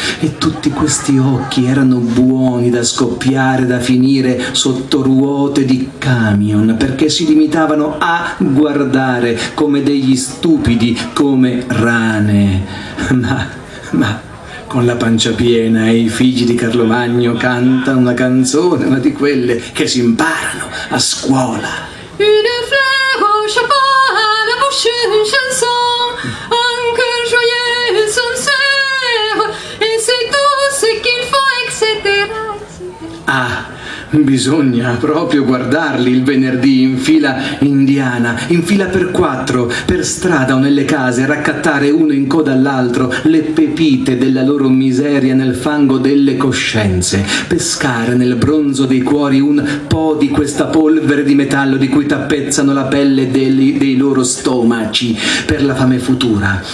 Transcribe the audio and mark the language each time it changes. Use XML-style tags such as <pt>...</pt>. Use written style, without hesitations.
<it>E tutti questi occhi erano buoni da scoppiare, da finire sotto ruote di camion, perché si limitavano a guardare come degli stupidi, come rane. Ma... con la pancia piena e i figli di Carlo Magno cantano una canzone, una di quelle che si imparano a scuola.</it> <fr>Une fleur au chapeau à la bouche, une chanson, un cœur joyeux, sincère, et c'est tout ce qu'il faut, etc.</fr> <it>Ah, bisogna proprio guardarli il venerdì in fila indiana, in fila per quattro, per strada o nelle case, raccattare uno in coda all'altro le pepite della loro miseria nel fango delle coscienze, pescare nel bronzo dei cuori un po' di questa polvere di metallo di cui tappezzano la pelle dei loro stomaci per la fame futura.</it>